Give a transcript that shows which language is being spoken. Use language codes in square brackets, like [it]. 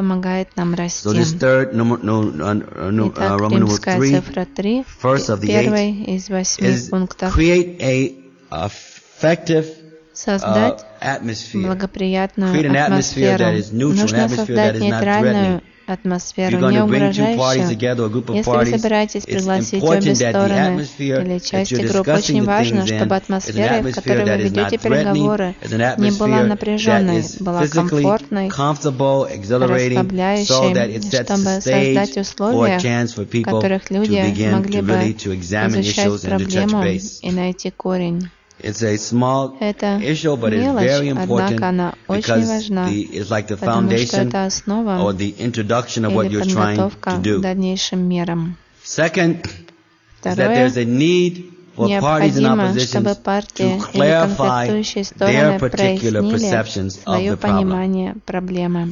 [en] So this third, Roman numeral 3, first of the eight, is create an effective atmosphere. Create an atmosphere that is neutral, an atmosphere that is not threatening. [ru] Атмосферу, не угрожающую. Если вы собираетесь пригласить обе стороны или части групп, очень важно, чтобы атмосфера, в которой вы ведете переговоры, не была напряженной, была комфортной, расслабляющей, чтобы создать условия, в которых люди могли бы изучать проблему и найти корень. [en] It's a small issue, but it's very important, because it's like the foundation or the introduction of what you're trying to do. Second, is that there's a need for parties in opposition to clarify their particular perceptions of the problem.